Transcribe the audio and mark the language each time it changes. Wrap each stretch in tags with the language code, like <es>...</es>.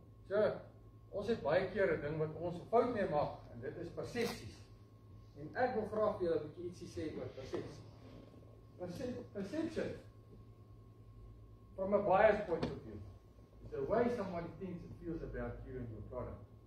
<af>So, ons het baie keer een ding wat ons fout mee maak, en dit is percepties. En ek wil graag vir julle bietjie ietsie sê oor percepties.</af> <en>Perception, from a bias point of view, is the way somebody thinks and feels about you and your product.</en>